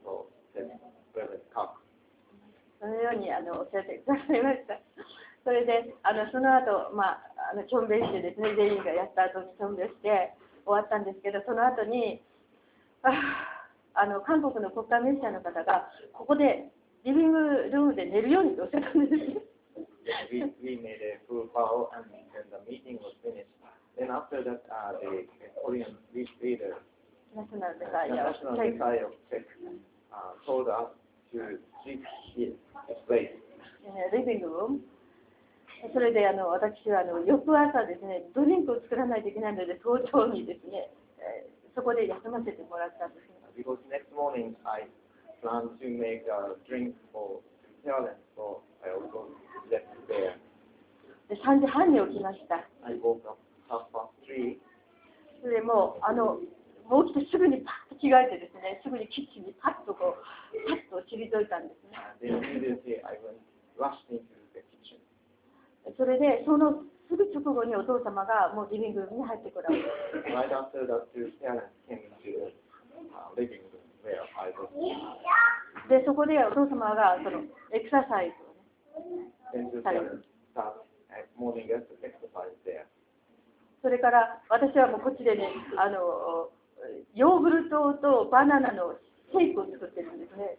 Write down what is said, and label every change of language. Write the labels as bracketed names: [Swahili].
[Japanese] そのようにあのおっしゃってくださいました。それで、あのその後、まあ、キョンベイしてですね、全員がやった後にキョンベイして終わったんですけど、その後に、あの韓国の国家メディアの方がここでリビングルームで寝るようにとおっしゃったんですね。 [English] We made a full bow and the meeting was finished. Then after that, the Korean leader, National Secretary of Tech, told us to sleep here, place. [Japanese] リビングルーム。それであの私はあの翌朝ですね、ドリンクを作らないといけないので、早朝にですね、そこで休ませてもらったんです。 [English] Because next morning I plan to make a drink for parents, so I also left there. [Japanese] で3時半に起きました。 [English] I woke up half past three. [Japanese] それでもうあのもう起きてすぐにパッと着替えてですね、すぐにキッチンにパッとこうパッと退いたんですね。 [English] で、immediately I went rushed into the kitchen. [Japanese] それでそのすぐ直後にお父様がもうリビングに入ってこられました。 [English] Right after that, two parents came to the living room where I was. [Japanese] でそこでお父様がそのエクササイズをね。 [English] Then two parents started morning exercise there. [Japanese] それから私はもうこっちでね、あのヨーグルトとバナナのシェイクを作ってるんですね。